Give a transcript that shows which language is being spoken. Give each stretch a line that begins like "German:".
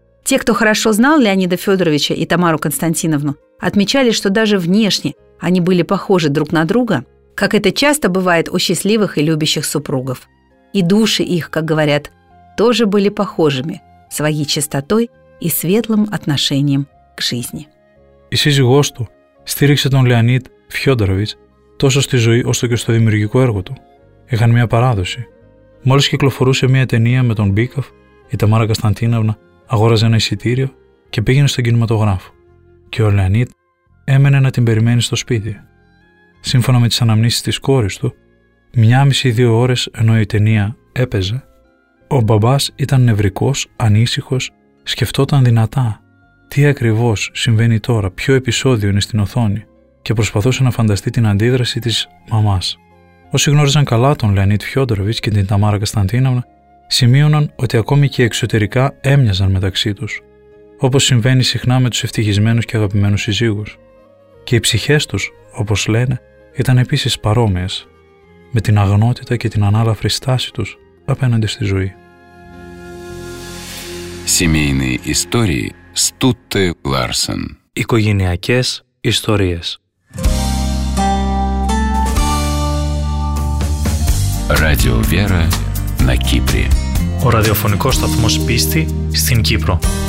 Russian: Те, кто хорошо знал Леонида Федоровича и Тамару Константиновну, отмечали, что даже внешне они были похожи друг на друга, как это часто бывает у счастливых и любящих супругов. И души их, как говорят, тоже были похожими своей чистотой и светлым отношением к жизни.
Greek: И сизигос ту стирикса тон Леонид Федорович τόσο στη ζωή όσο και στο δημιουργικό έργο του. Είχαν μια παράδοση. Μόλις κυκλοφορούσε μια ταινία με τον Μπίκοφ, η Ταμάρα Κωνσταντίνοβνα αγόραζε ένα εισιτήριο και πήγαινε στον κινηματογράφο. Και ο Λεονίδ έμενε να την περιμένει στο σπίτι. Σύμφωνα με τις αναμνήσεις της κόρης του, μια μισή δύο ώρες ενώ η ταινία έπαιζε, ο μπαμπάς ήταν νευρικός, ανήσυχος, σκεφτόταν δυνατά τι ακριβώς συμβαίνει τώρα, ποιο επεισόδιο είναι στην οθόνη. Και προσπαθούσε να φανταστεί την αντίδραση της μαμάς. Όσοι γνώριζαν καλά τον Λεονίδ Φιόντοροβιτς και την Ταμάρα Κωνσταντίνοβνα, σημείωναν ότι ακόμη και εξωτερικά έμοιαζαν μεταξύ τους, όπως συμβαίνει συχνά με τους ευτυχισμένους και αγαπημένους συζύγους. Και οι ψυχές τους, όπως λένε, ήταν επίσης παρόμοιες, με την αγνότητα και την ανάλαφρη στάση τους απέναντι στη ζωή.
Russian: Семейные истории Стутте Ларсен.
Greek: Οικογενειακές ιστορίες.
Russian: Radio Vera на Кипре.
Greek: Ο ραδιοφωνικός σταθμός πίστη στην Κύπρο.